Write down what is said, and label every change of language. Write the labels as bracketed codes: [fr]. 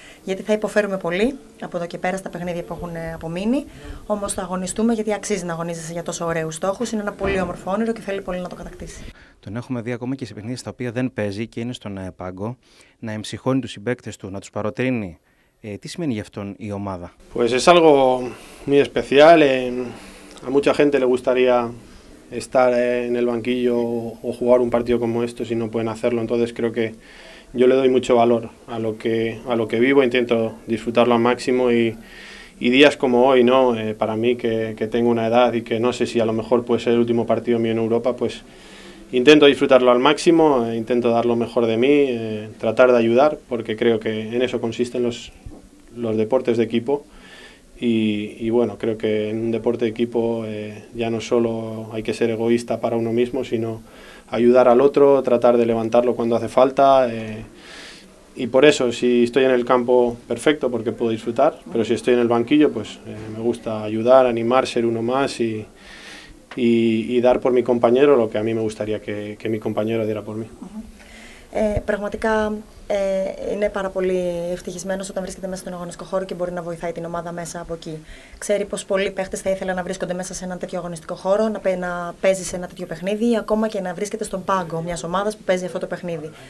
[el] Γιατί θα υποφέρουμε πολύ από εδώ και πέρα στα παιχνίδια που έχουν απομείνει. Όμως θα αγωνιστούμε, γιατί αξίζει να αγωνίζεσαι για τόσο ωραίους στόχους. Είναι ένα πολύ όμορφο όνειρο και θέλει πολύ να το κατακτήσει. Τον έχουμε δει ακόμα και σε παιχνίδια στα οποία δεν παίζει και είναι στον πάγκο, να εμψυχώνει τους συμπαίκτες του, να τους παροτρύνει. Τι σημαίνει γι' αυτόν η ομάδα? [es] Pues es algo muy especial. A mucha gente le gustaría estar en el banquillo o jugar un partido como esto si no pueden hacerlo. Entonces creo que yo le doy mucho valor a lo que vivo, intento disfrutarlo al máximo y días como hoy, ¿no? Para mí que tengo una edad y que no sé si a lo mejor puede ser el último partido mío en Europa, pues intento disfrutarlo al máximo, intento dar lo mejor de mí, tratar de ayudar, porque creo que en eso consisten los deportes de equipo. Y bueno, creo que en un deporte de equipo ya no solo hay que ser egoísta para uno mismo, sino ayudar al otro, tratar de levantarlo cuando hace falta. Y por eso, si estoy en el campo, perfecto, porque puedo disfrutar. Pero si estoy en el banquillo, pues me gusta ayudar, animar, ser uno más y dar por mi compañero lo que a mí me gustaría que mi compañero diera por mí. [el] Πραγματικά είναι πάρα πολύ ευτυχισμένος όταν βρίσκεται μέσα στον αγωνιστικό χώρο και μπορεί να βοηθάει την ομάδα μέσα από εκεί. Ξέρει πως πολλοί παίχτες θα ήθελαν να βρίσκονται μέσα σε ένα τέτοιο αγωνιστικό χώρο, να παίζει σε ένα τέτοιο παιχνίδι ή ακόμα και να βρίσκεται στον πάγκο μιας ομάδας που παίζει αυτό το παιχνίδι.